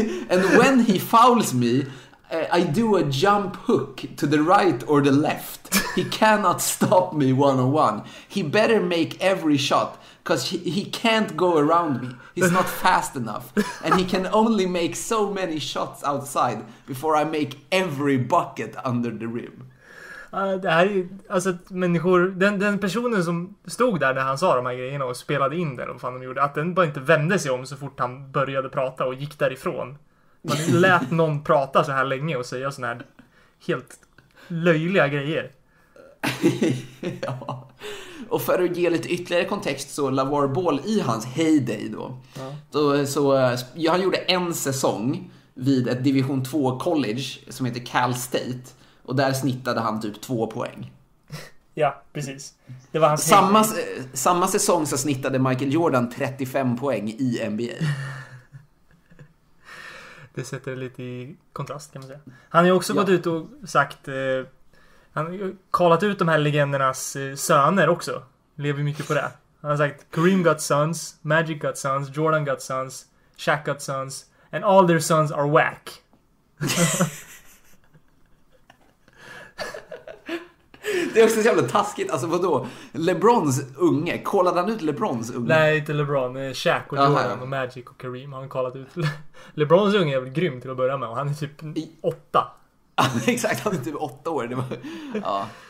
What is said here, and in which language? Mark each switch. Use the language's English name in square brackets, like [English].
[English] And when he fouls me, I do a jump hook to the right or the left. He cannot stop me one on one. He better make every shot, cause he can't go around me. He's not fast enough, and he can only make so many shots outside before I make every bucket under the rim. [Swedish] Det här är, alltså, människor, den personen som stod där när han sa de här grejerna och spelade in det, vad fan de gjorde, att den bara inte vände sig om så fort han började prata och gick därifrån. Man lät någon prata så här länge och säga såna här helt löjliga grejer. Ja. Och för att ge lite ytterligare kontext, så LaVar Ball i hans heyday då, ja. Så han gjorde en säsong vid ett division 2 college som heter Cal State, och där snittade han typ 2 poäng. Ja, precis. Det var hans samma säsong så snittade Michael Jordan 35 poäng i NBA. Det sätter det lite i kontrast, kan man säga. Han har ju också gått ut och sagt, han har kallat ut de här legendernas söner också. Lever mycket på det. Han har sagt, [English] Kareem got sons, Magic got sons, Jordan got sons, Shaq got sons, and all their sons are whack. [Swedish] Det är också så jävla taskigt. Alltså vadå, LeBrons unge, kallade han ut LeBrons unge? Nej, inte LeBron, Shaq och Jordan och Magic och Kareem har han kallat ut. LeBrons unge är väl grym till att börja med, och han är typ 8. Exakt, han är typ 8 år. Det var, ja.